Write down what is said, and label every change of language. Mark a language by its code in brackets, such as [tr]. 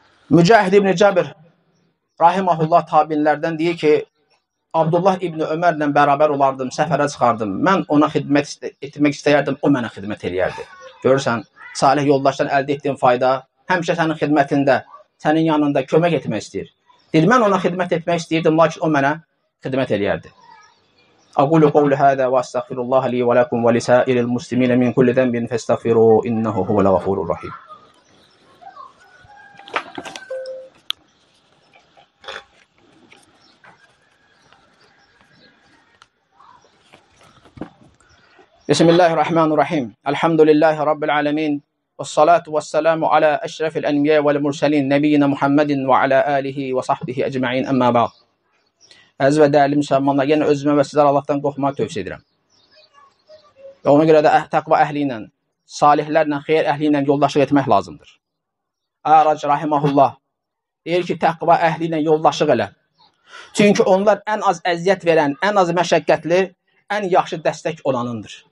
[az] Mücahid İbn Cəbir, rahimahullah tabinlərdən deyir ki, Abdullah İbn Ömərlə bərabər olardım, səfərə çıxardım, mən ona xidmət etmək istəyərdim, o mənə xidmət eləyərdi. Görürsən, salih yoldaşdan əldə etdiyin fayda həmişə sənin xidmətində, sənin yanında kömək etmək istəyir. Deyir, mən ona xidmət etmək istəyirdim, lakin o mənə xidmət eləyərdi. [ar] أقول قول هذا وأستغفر الله لي ولكم ولسائر المسلمين من كل ذنب فاستغفروه إنه هو الغفور الرحيم. بسم الله الرحمن الرحيم الحمد لله رب العالمين والصلاة والسلام على أشرف الأنبياء والمرسلين نبينا محمد وعلى آله وصحبه أجمعين أما بعد [az] Əziz və dəyərli müsəlmanlar, yenə özümə və sizlər Allahdan qorxmağı tövsiyə edirəm. Və ona görə də təqva əhli ilə, salihlərlə, xeyr əhli ilə yoldaşıq etmək lazımdır. Ərac rahimahullah deyir ki, təqva əhli ilə yoldaşıq elə. Çünki onlar ən az əziyyət verən, ən az məşəqqətli, ən yaxşı dəstək olanındır.